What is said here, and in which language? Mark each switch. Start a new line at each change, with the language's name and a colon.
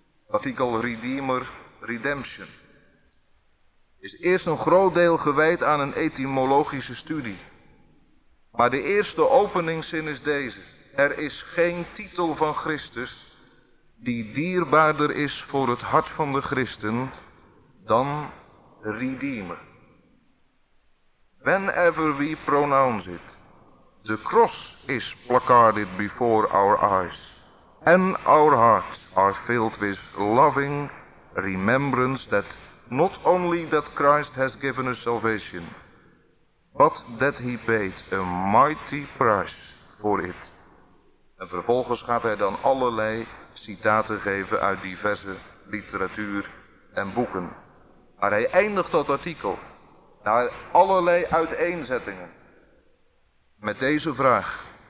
Dutch: Artikel Redeemer Redemption. Is eerst een groot deel gewijd aan een etymologische studie. Maar de eerste openingszin is deze. Er is geen titel van Christus die dierbaarder is voor het hart van de christen dan Redeemer.
English: Whenever we pronounce it, the cross is placarded before our eyes, and our hearts are filled with loving remembrance that not only that Christ has given us salvation, but that he paid a mighty price for it.
Dutch: En vervolgens gaat hij dan allerlei citaten geven uit diverse literatuur en boeken. Maar hij eindigt dat artikel na allerlei uiteenzettingen met deze vraag.